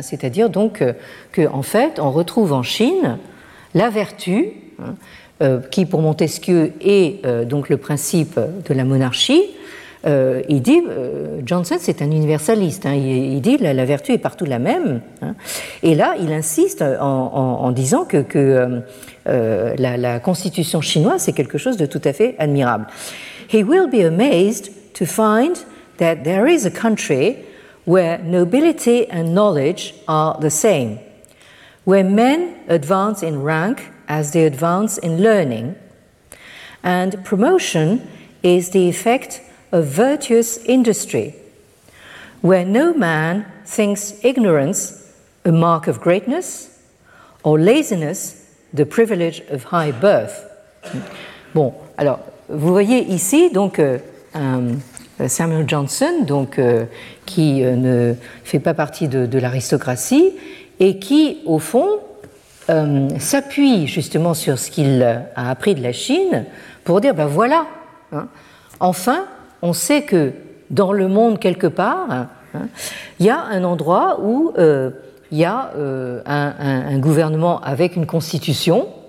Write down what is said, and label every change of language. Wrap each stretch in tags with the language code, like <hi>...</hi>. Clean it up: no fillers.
<fr>C'est-à-dire donc qu'en fait, on retrouve en Chine la vertu, qui pour Montesquieu est donc le principe de la monarchie. Il dit, Johnson c'est un universaliste, hein, il dit la vertu est partout la même, hein, et là il insiste en disant que la constitution chinoise c'est quelque chose de tout à fait admirable.</fr> <en>He will be amazed to find that there is a country where nobility and knowledge are the same, where men advance in rank as they advance in learning, and promotion is the effect of virtuous industry, where no man thinks ignorance a mark of greatness, or laziness the privilege of high birth.</en> <fr>Bon, alors, vous voyez ici, donc, Samuel Johnson, donc, qui ne fait pas partie de l'aristocratie, et qui, au fond, s'appuie justement sur ce qu'il a appris de la Chine pour dire, ben voilà, hein, enfin, on sait que dans le monde, quelque part, il y a un endroit où il y a un gouvernement avec une constitution,</fr>